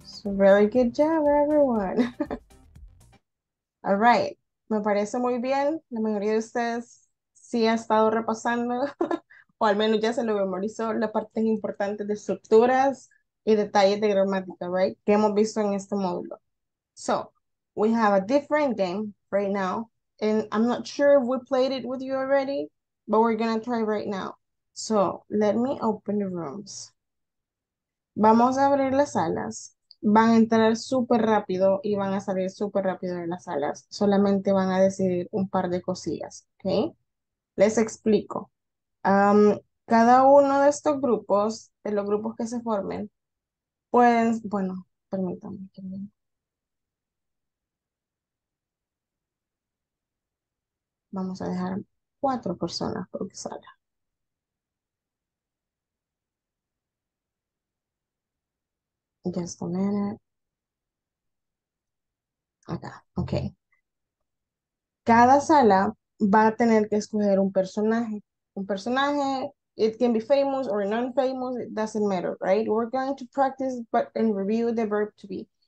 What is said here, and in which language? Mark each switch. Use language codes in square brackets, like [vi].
[en] So very good job, everyone. All right. [es] Me parece muy bien. La mayoría de ustedes sí ha estado repasando, o al menos ya se lo memorizó, las partes importantes de estructuras y detalles de gramática, right? Que hemos visto en este módulo. [en] So, we have a different game right now, and I'm not sure if we played it with you already, but we're gonna try right now. So, let me open the rooms. [es] Vamos a abrir las salas. Van a entrar súper rápido y van a salir súper rápido de las salas. Solamente van a decidir un par de cosillas, ¿ok? Les explico. Cada uno de estos grupos, de los grupos que se formen, pueden, bueno, permítanme. Vamos a dejar 4 personas por sala. [en] Just a minute. [es] Acá, ok. Cada sala va a tener que escoger un personaje. Un personaje, [en] it can be famous or non-famous, it doesn't matter, right? We're going to practice but and review the verb to be.